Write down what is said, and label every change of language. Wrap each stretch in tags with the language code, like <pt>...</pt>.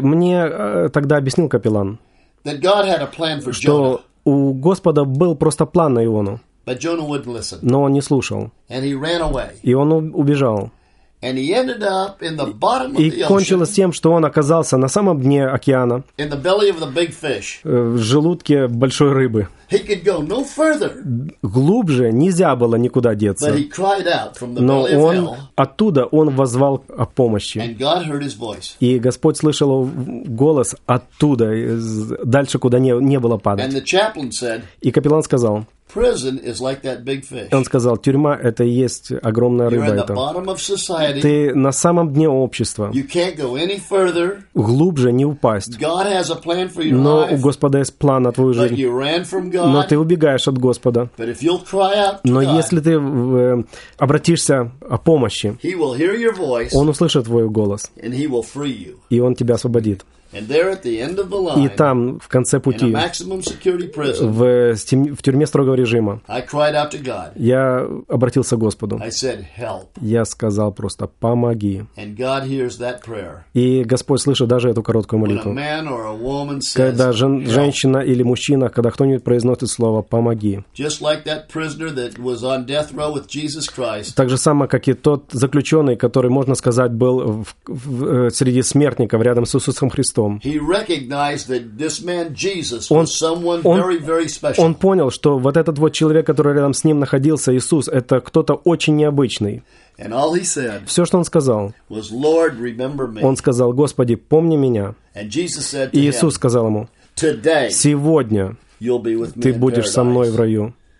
<ru>мне тогда объяснил капеллан,</ru> <en>that God had a plan for</en> <ru>что</ru> <en>Jonah.</en> <ru>У Господа был просто план на Иону.</ru> <en>But Jonah wouldn't listen.</en> <ru>Но он не слушал.</ru> <en>And he ran away.</en> <ru>И он убежал.</ru> <en>And he ended up in the bottom of the ocean.</en> <ru>И кончилось тем, что он оказался на самом дне океана.</ru> <en>In the belly of the big fish.</en> <ru>В желудке большой рыбы.</ru> <en>He could go no further.</en> <ru>Глубже нельзя было никуда деться.</ru> <en>But he cried out from the belly of hell.</en> <ru>Но он оттуда он воззвал о помощи.</ru> <en>And God heard his voice.</en> <ru>И Господь слышал голос оттуда, дальше куда не было падать.</ru> <en>And the chaplain said.</en> <ru>И капеллан сказал.</ru> <en>Prison is like that big fish.</en> <ru>Он сказал, тюрьма – это и есть огромная рыба.</ru> <en>You're in the bottom of society.</en> <ru>Ты на самом дне общества.</ru> <en>You can't go any further.</en> <ru>Глубже не упасть.</ru> <en>God has a plan for your</en> <ru>но</ru> <en>life.</en> <ru>У Господа есть план на твою жизнь.</ru> <en>But you ran from God.</en> <ru>Но ты убегаешь от Господа.</ru> <en>But if you'll cry out to</en> <ru>но</ru> <en>God,</en> <ru>если ты обратишься о помощи,</ru> <en>he will hear your voice,</en> <ru>Он услышит твой голос.</ru> <en>And he will free you.</en> <ru>И Он тебя освободит.</ru> <en>And there at the end of the line,</en> <ru>и там, в конце пути,</ru> <en>in a maximum security prison,</en> <ru>в тюрьме строгого режима,</ru> <en>I cried out to God.</en> <ru>Я обратился к Господу.</ru> <en>I said, help.</en> <ru>Я сказал просто, помоги.</ru> <en>And God hears that prayer.</en> <ru>И Господь слышит даже эту короткую молитву.</ru> <en>When a man or a woman says,</en> <ru>когда женщина или мужчина, когда кто-нибудь произносит слово, помоги.</ru> <en>Just like that prisoner that was on death row with Jesus Christ.</en> <ru>Так же самое, как и тот заключенный, который, можно сказать, был среди смертников рядом с Иисусом Христом.</ru> <en>He recognized that this man Jesus was someone very, very special.</en> <ru>Он понял, что вот этот вот человек, который рядом с ним находился, Иисус, это кто-то очень необычный.</ru> <en>And all he said,</en> <ru>все, что он сказал,</ru> <en>was Lord, remember me.</en> <ru>Он сказал, Господи, помни меня.</ru> <en>And Jesus said to</en> <ru>Иисус</ru> <en>him,</en> <ru>сказал ему,</ru> <en>today,</en> <ru>сегодня, ты будешь со мной в раю.</ru>